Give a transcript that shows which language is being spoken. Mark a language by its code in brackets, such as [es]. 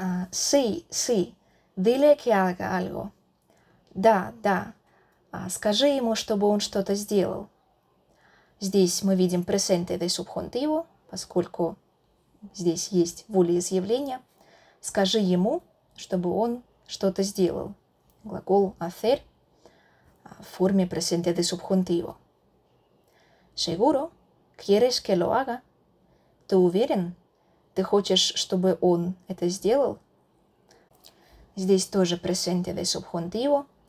[es] «Sí, sí, dile que haga algo». [ru] «Да, да, скажи ему, чтобы он что-то сделал». Здесь мы видим «presente de subjuntivo», поскольку здесь есть волеизъявление. «Скажи ему, чтобы он что-то сделал». Глагол «hacer» в форме «presente de subjuntivo». [es] «Seguro? ¿Quieres que lo haga?» [ru] «Ты уверен? Ты хочешь, чтобы он это сделал?» Здесь тоже «presente de subjuntivo».